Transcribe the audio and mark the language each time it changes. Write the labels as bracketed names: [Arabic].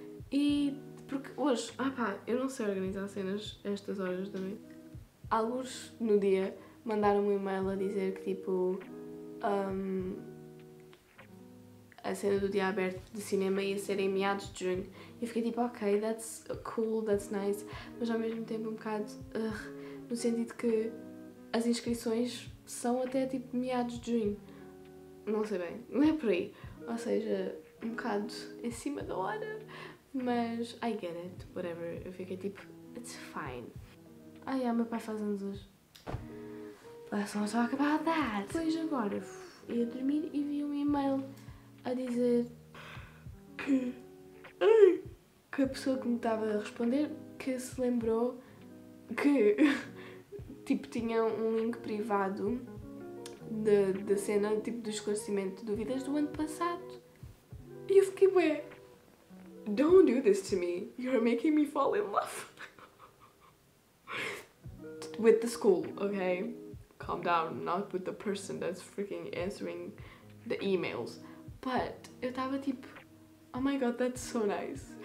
[Portuguese] E porque hoje, ah pá, eu não sei organizar cenas estas horas da noite. Alguns no dia mandaram um e-mail a dizer que, tipo, a cena do dia aberto de cinema ia ser em meados de junho. E eu fiquei tipo, ok, [English] that's cool, that's nice. [Portuguese] Mas ao mesmo tempo um bocado, no sentido que as inscrições são até tipo meados de junho. Não sei bem, não é por aí. Ou seja, um bocado em cima da hora. [English] Mas I get it, whatever. [Portuguese] Eu fiquei tipo, [English] it's fine. [Portuguese] Ai, é, meu pai faz anos hoje. [English] Let's not talk about that. [Portuguese] Pois agora, ia dormir e vi um e-mail a dizer que a pessoa que me estava a responder que se lembrou que tipo tinha um link privado da cena tipo do esclarecimento de dúvidas do ano passado. E eu fiquei, [English] ué, don't do this to me. You're making me fall in love with the school, ok? Calm down, not with the person that's freaking answering the emails. But [Portuguese] eu estava tipo, [English] oh my god, that's so nice.